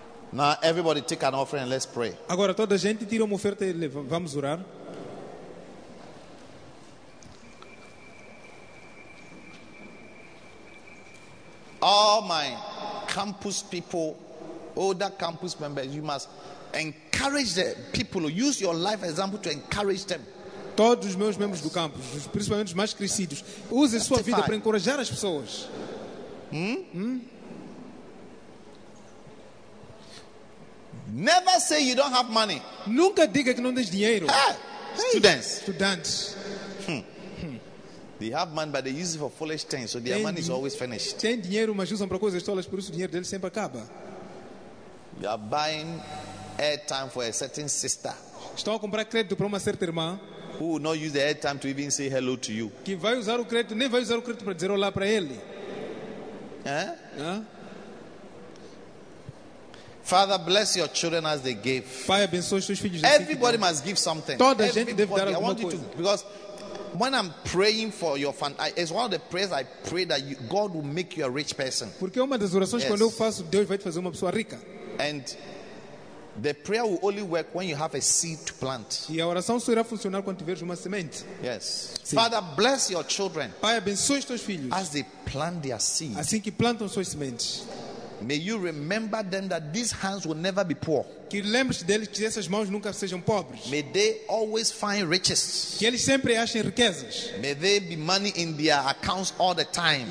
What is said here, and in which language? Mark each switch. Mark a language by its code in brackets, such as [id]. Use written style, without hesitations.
[en] Now everybody take an offering and let's pray. [pt] Agora toda a gente tira uma oferta e vamos orar. [en] All my campus people, older campus members, you must encourage the people. Use your life example to encourage them. [pt] Todos os meus membros do campus, principalmente os mais crescidos, use a sua vida para encorajar as pessoas. [en] Never say you don't have money. [pt] Nunca diga que não tens dinheiro. [en] Students. Students. They have money, but they use it for foolish things, so their money is always finished. [pt] Tem dinheiro, mas usam para coisas tolas, por isso o dinheiro deles sempre acaba. [en] You are buying airtime for a certain sister. [pt] Estão a comprar crédito para uma certa irmã. [en] Who will not use the airtime to even say hello to you? [pt] Que vai usar o crédito, nem vai usar o crédito para dizer olá para ele. [en] Father, bless your children as they give. [pt] Pai, abençoe os teus filhos. [en] Everybody must give something. [pt] Toda a gente deve dar alguma coisa. [en] Because when I'm praying for your fan, it's one of the prayers I pray that you, God will make you a rich person. [pt] Porque uma das orações quando eu faço, Deus vai te fazer uma pessoa rica. [en] And the prayer will only work when you have a seed to plant. [pt] E a oração só irá funcionar quando tiveres uma semente. [en] Yes. [pt] Sim. [en] Father, bless your children. [pt] Pai, abençoe os teus filhos. [en] As they plant their seed. [pt] Assim que plantam suas sementes. [en] May you remember them that these hands will never be poor. [pt] Que lembres deles que essas mãos nunca sejam pobres. [en] May they always find riches. [pt] Que eles sempre achem riquezas. [en] May there be money in their accounts all the time.